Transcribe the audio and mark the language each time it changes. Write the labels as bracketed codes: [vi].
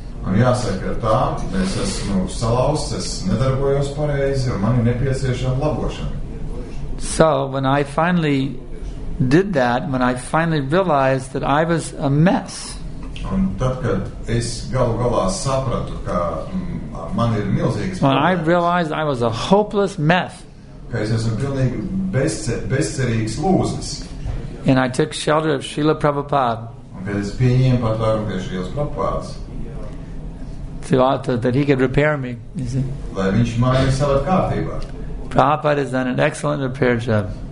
[lv] Un jāsaka tā, es esmu salausts, es nedarbojos pareizi, un man ir nepieciešama labošana. [en] So when I finally did that, when I finally realized that I was a mess. [lv] Un tad, kad es galu galā sapratu, ka man ir milzīgas problēmas. [en] I realized I was a hopeless mess. [lv] Ka es esmu pilnīgi bezcerīgs lūzis. [en] And I took shelter of Srila Prabhupada. [lv] Un kad es pieņēmu patvērumu pie Srilas Prabhupādas. [en] That he could repair me, you see. [lv] Lai viņš mani savāt kārtībā. [en] Prabhupada has done an excellent repair job.